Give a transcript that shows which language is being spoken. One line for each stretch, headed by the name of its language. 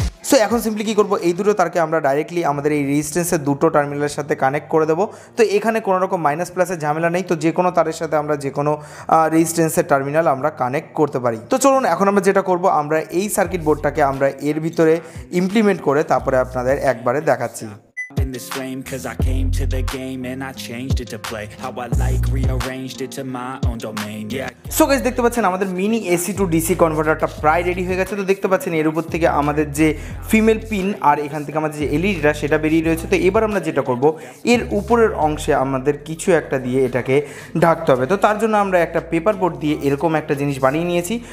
Bangla: তো এখন সিম্পলি কী করবো, এই দুটো তারকে আমরা ডাইরেক্টলি আমাদের এই রেজিস্ট্যান্সের দুটো টার্মিনালের সাথে কানেক্ট করে দেবো। তো এখানে কোনো রকম মাইনাস প্লাসের ঝামেলা নেই, তো যে কোনো তারের সাথে আমরা যে কোনো রেজিস্ট্যান্সের টার্মিনাল আমরা কানেক্ট করতে পারি। তো চলুন এখন আমরা যেটা করবো, আমরা এই সার্কিট বোর্ডটাকে আমরা এর ভিতরে ইমপ্লিমেন্ট করে তারপরে আপনাদের একবারে দেখাচ্ছি।
English: In this frame, cause I came to the game and I changed it to play how I like, rearranged it to my own domain, yeah. So guys,
Bangla: দেখতে পাচ্ছেন আমাদের মিনি এসি টু ডিসি কনভার্টারটা প্রায় ready হয়ে গেছে। তো দেখতে পাচ্ছেন এর উপর থেকে আমাদের যে ফিমেল পিন আর এখান থেকে আমাদের যে এলইডিটা সেটা বেরিয়ে রয়েছে। তো এবার আমরা যেটা করব, এর উপরের অংশে আমাদের কিছু একটা দিয়ে এটাকে ঢাকতে হবে। তো তার জন্য আমরা একটা পেপার বোর্ড দিয়ে এরকম একটা জিনিস বানিয়ে নিয়েছি।